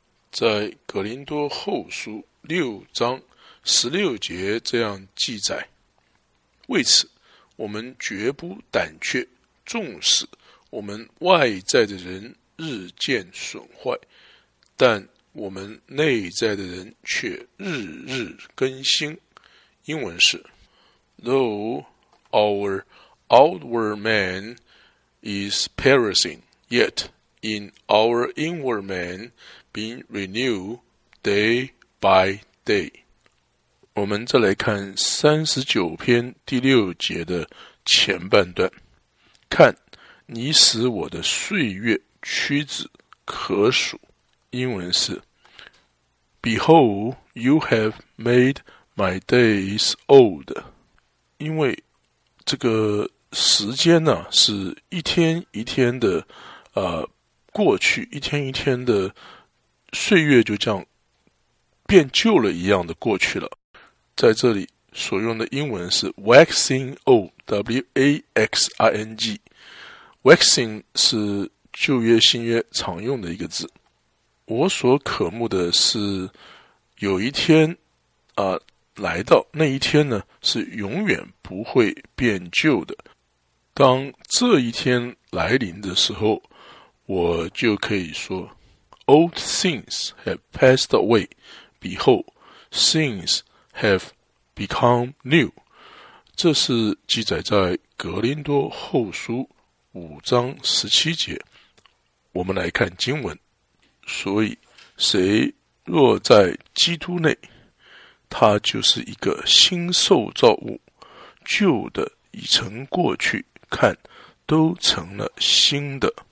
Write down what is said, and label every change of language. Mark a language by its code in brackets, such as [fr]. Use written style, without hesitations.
[zh] 在格林多后书六章十六节这样记载，为此我们绝不胆怯，纵使我们外在的人日渐损坏，但我们内在的人却日日更新。英文是 [en] Though our outward man is perishing, yet in our inward man being renewed day by day. [zh] 我们再来看39篇第六节的前半段，看，你使我的岁月屈指可数。英文是 [en] Behold, you have made my days old. [zh] 因为这个时间呢，是一天一天的过去，一天一天的岁月就这样变旧了一样的过去了。在这里所用的英文是 waxing O-W-A-X-I-N-G， waxing 是旧约新约常用的一个字。我所渴慕的是有一天来到，那一天呢是永远不会变旧的。当这一天来临的时候，我就可以说 [en] Old things have passed away, behold, things have become new。 [zh] 这是记载在格林多后书五章十七节。我们来看经文，所以谁若在基督内，他就是一个新受造物，旧的已成过去，看都成了新的。